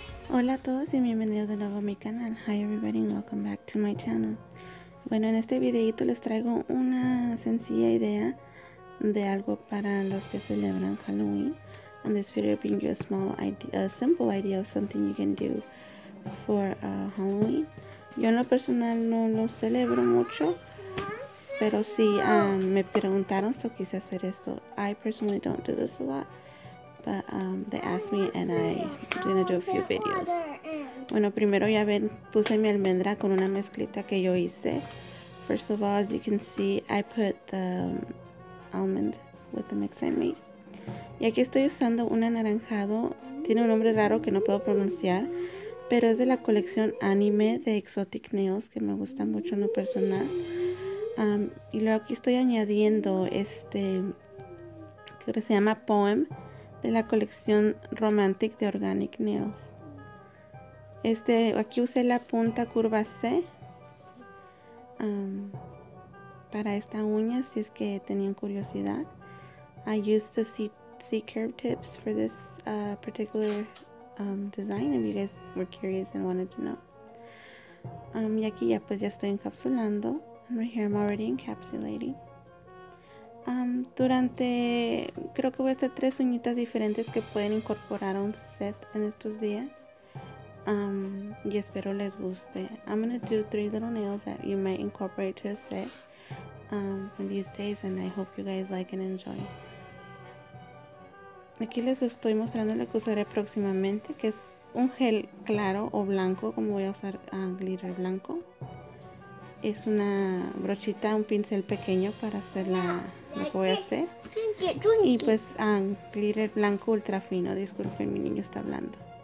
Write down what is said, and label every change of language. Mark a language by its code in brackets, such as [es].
[es] Hola a todos y bienvenidos de nuevo a mi canal. [en] Hi everybody and welcome back to my channel. [es] Bueno, en este videito les traigo una sencilla idea de algo para los que celebran Halloween. [en] In this video, bring you a simple idea of something you can do for Halloween. [es] Yo en lo personal no lo celebro mucho, pero sí me preguntaron si quise hacer esto. [en] I personally don't do this a lot. But they asked me and I'm going to do a few videos. [es] Bueno, primero ya ven, puse mi almendra con una mezclita que yo hice. [en] First of all, as you can see, I put the almond with the mix I made. [es] Y aquí estoy usando un anaranjado. Tiene un nombre raro que no puedo pronunciar, pero es de la colección anime de Exotic Nails, que me gusta mucho en lo personal. Y luego aquí estoy añadiendo este, que se llama Poem, de la colección Romantic de Organic Nails. Este, aquí usé la punta curva C para esta uña, si es que tenían curiosidad. [en] I used the C-curve tips for this particular design, if you guys were curious and wanted to know. [es] Y aquí ya pues ya estoy encapsulando. [en] And right here I'm already encapsulating. [es] Durante, creo que voy a hacer tres uñitas diferentes que pueden incorporar a un set en estos días. Y espero les guste. [en] I'm gonna do three little nails that you might incorporate to a set in these days, and I hope you guys like and enjoy. [es] Aquí les estoy mostrando lo que usaré próximamente, que es un gel claro o blanco, como voy a usar glitter blanco. Es una brochita, un pincel pequeño para hacer la, lo que voy a hacer. Y pues glitter blanco ultra fino. Disculpen, mi niño está hablando.